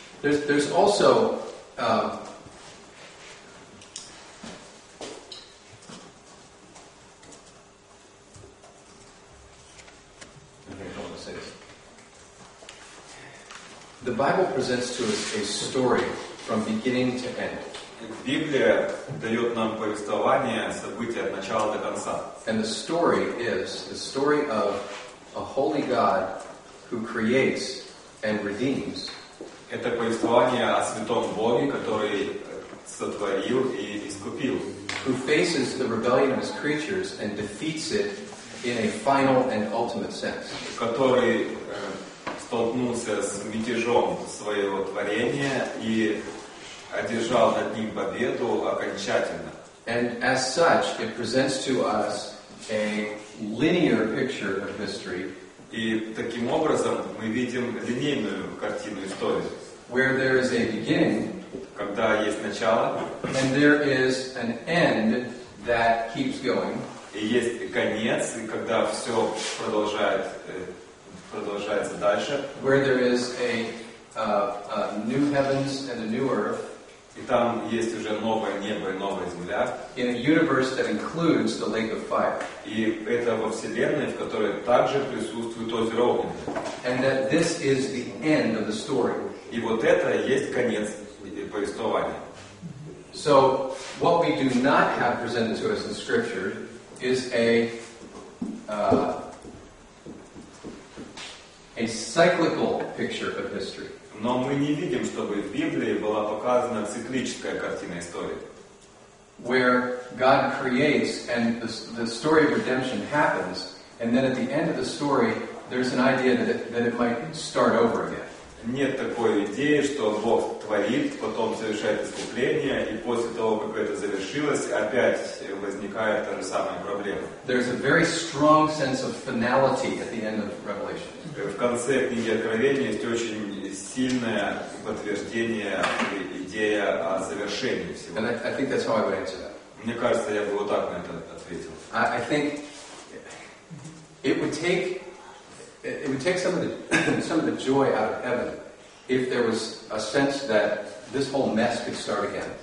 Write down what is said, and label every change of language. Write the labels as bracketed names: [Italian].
[English] There's also the Bible presents to us a story from beginning to end. [Russian] Библия дает нам повествование событий от начала до конца. [English] And the story is the story of a holy God who creates and redeems. [Russian] Это повествование о святом Боге, который сотворил и искупил. [English] Who faces the rebellion of his creatures and defeats it in a final and ultimate sense. [Russian] Который столкнулся с мятежом своего творения и одержал над ним победу окончательно. [English] And as such, it presents to us a linear picture of history. [Russian] И таким образом мы видим линейную картину истории. [English] Where there is a beginning, [Russian] когда есть начало, [English] and there is an end that keeps going. [Russian] И есть конец, и когда все продолжается дальше. [English] Where there is a new heavens and a new earth. [Russian] И там есть уже новое небо и новая земля. [English] In a universe that includes the lake of fire. [Russian] И это во вселенной, в которой также присутствует озеро огненное. [English] And that this is the end of the story. [Russian] И вот это есть конец повествования. [English] So what we do not have presented to us in Scripture is a cyclical picture of history. [Russian] Но мы не видим, чтобы в Библии была показана циклическая картина истории. [English] Where God creates and the story of redemption happens, and then at the end of the story, there's an idea that it might start over again. [Russian] Нет такой идеи, что Бог творит, потом совершает искупление, и после того, как это завершилось, опять возникает та же самая проблема. [English] There's a very strong sense of finality at the end of Revelation. [Russian] В конце книги Откровения есть очень сильное подтверждение, идея о завершении всего. [English] And I think that's how I would answer that. [Russian] Мне кажется, я бы вот так на это ответил. [English] I think it would take some of the joy out of heaven if there was a sense that this whole mess could start again.